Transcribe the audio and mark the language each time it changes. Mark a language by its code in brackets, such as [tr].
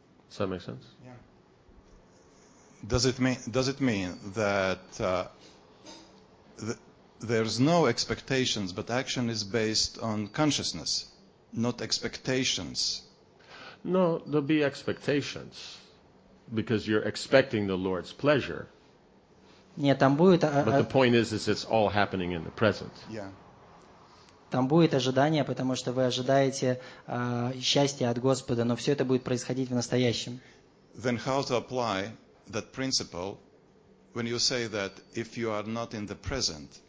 [en] Does that make sense? Yeah. Does it mean that there's no expectations, but action is based on consciousness, not expectations? No, there'll be expectations, because you're expecting the Lord's pleasure. [ru] Нет, там будет. [en] But the point is it's all happening in the present. Yeah. [ru] Там будет ожидание, потому что вы ожидаете счастья от Господа, но все это будет происходить в настоящем. [en] Then how to apply that principle when you say that if you are not in the present